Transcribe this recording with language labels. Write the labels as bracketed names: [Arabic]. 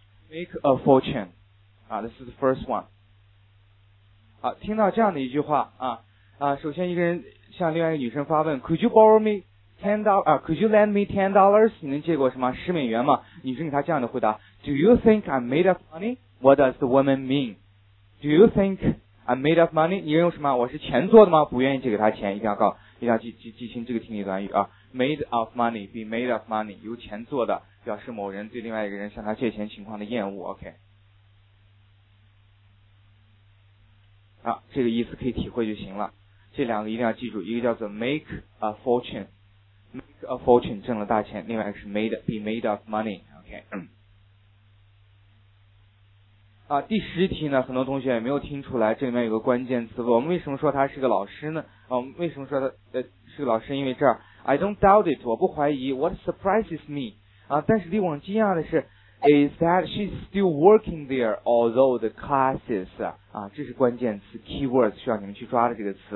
[English] make a fortune， 啊 ，this is the first one。 [Chinese] 啊，听到这样的一句话啊，首先一个人向另外一个女生发问 ， [English] Could you borrow me？ Could you lend me $10? [Chinese] 你能借给我什么十美元吗？女生给他这样的回答 [English] ：Do you think I'm made of money? What does the woman mean? Do you think I'm made of money? [Chinese] 你认为什么？我是钱做的吗？不愿意借给他钱，一定要记清这个听力短语啊 ，made of money， [English] be made of money， [Chinese] 由钱做的，表示某人对另外一个人向他借钱情况的厌恶。 OK， 啊，这个意思可以体会就行了。这两个一定要记住，一个叫做 [English] make a fortune。 Make a fortune [Chinese] 挣了大钱，另外是 [English] be made of money， [Chinese] OK。啊，第十题呢，很多同学也没有听出来，这里面有个关键词。我们为什么说他是个老师呢？我们为什么说他是个老师？因为这儿 [English] I don't doubt it， [Chinese] 我不怀疑。 [English] What surprises me？ [Chinese] 啊，但是令我惊讶的是 ， [English] is that she's still working there although the classes [Chinese] 啊，这是关键词 keywords 需要你们去抓的这个词。